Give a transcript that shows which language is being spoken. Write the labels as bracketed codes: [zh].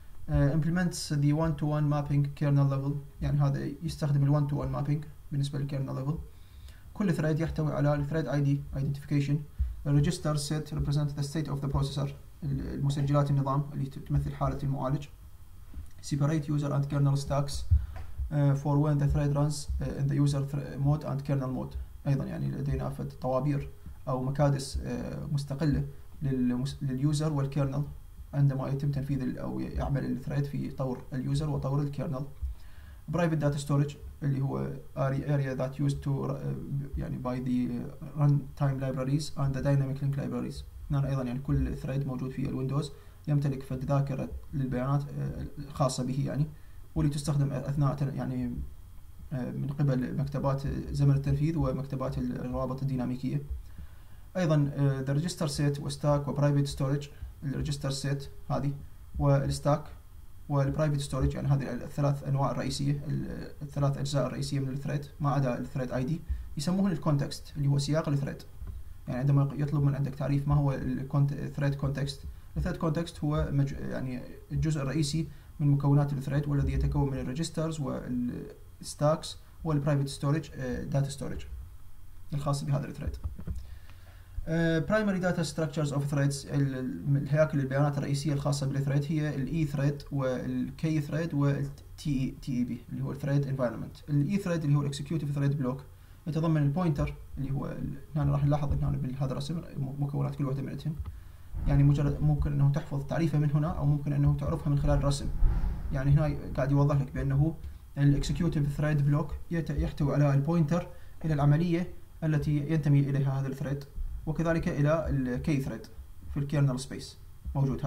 [en] امبلمنتس ذا 1 تو 1 مابينج كيرنل ليفل، [ar] يعني هذا يستخدم ال 1 تو 1 مابينج بالنسبه للكيرنل ليفل. كل ثريد يحتوي على الثريد اي دي ايدنتيفيكيشن، [en] الريجستر set represent the state of the processor [ar] المسجلات النظام اللي تمثل حاله المعالج. [en] Separate user and kernel stacks for when the thread runs in the user mode and kernel mode. [ar] أيضا يعني لدينا فد طوابير أو مكادس مستقلة لليوزر والكيرنل عندما يتم تنفيذ أو يعمل الثريد في طور اليوزر وطور الكيرنل. [en] Private data storage [ar] اللي هو [en] area that used to [ar] يعني [en] by the runtime libraries and the dynamic link libraries. [ar] هنا أيضا يعني كل ثريد موجود في الويندوز يمتلك فد ذاكرة للبيانات الخاصة به، يعني واللي تستخدم أثناء يعني من قبل مكتبات زمن التنفيذ ومكتبات الروابط الديناميكية. أيضا the register set وstack وprivate storage، الregister set هذه والstack والprivate storage، يعني هذه الثلاث أنواع الرئيسية الثلاث أجزاء الرئيسية من الثريد ما عدا الثريد ID، يسموهن الكونتكست اللي هو سياق الثريد. يعني عندما يطلب من عندك تعريف ما هو الثريد كونتكست، الثريد كونتكست هو يعني الجزء الرئيسي من مكونات الثريد، والذي يتكون من الريجسترز والستاكس والبرايفت ستورج داتا ستورج الخاص بهذا الثريد. [en] Primary data structures of threads، [ar] الهياكل البيانات الرئيسية الخاصة بالثريد هي الـ E thread والـ K thread والـ TEB اللي هو thread environment. الـ E thread اللي هو executive thread block يتضمن البوينتر اللي هو هنا راح نلاحظ إن هنا بهذا الرسم مكونات كل واحدة منهم، يعني مجرد ممكن أنه تحفظ تعريفه من هنا أو ممكن أنه تعرفها من خلال الرسم. يعني هنا قاعد يوضح لك بأنه الـ executive thread block يحتوي على البوينتر إلى العملية التي ينتمي إليها هذا الثريد، وكذلك الى الكي ثريد في الكيرنل سبيس موجود.